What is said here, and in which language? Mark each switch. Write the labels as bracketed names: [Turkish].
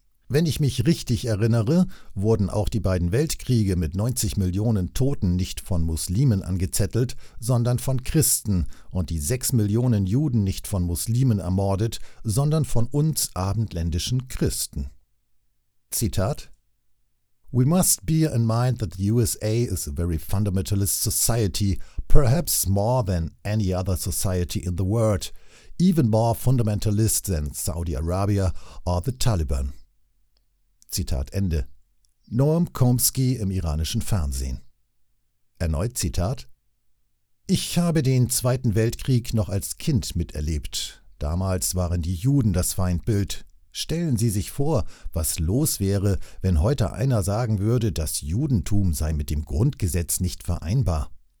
[German] Wenn ich mich richtig erinnere, wurden auch die beiden Weltkriege mit 90 Millionen Toten nicht von Muslimen angezettelt, sondern von Christen und die 6 Millionen Juden nicht von Muslimen ermordet, sondern von uns abendländischen Christen. [English] Zitat: We must bear in mind that the USA is a very fundamentalist society, perhaps more than any other society in the world, even more fundamentalist than Saudi Arabia or the Taliban. [German] Zitat Ende. Noam Chomsky im iranischen Fernsehen. Erneut Zitat: Ich habe den Zweiten Weltkrieg noch als Kind miterlebt. Damals waren die Juden das Feindbild. Stellen Sie sich vor, was los wäre, wenn heute einer sagen würde, das Judentum sei mit dem Grundgesetz nicht vereinbar.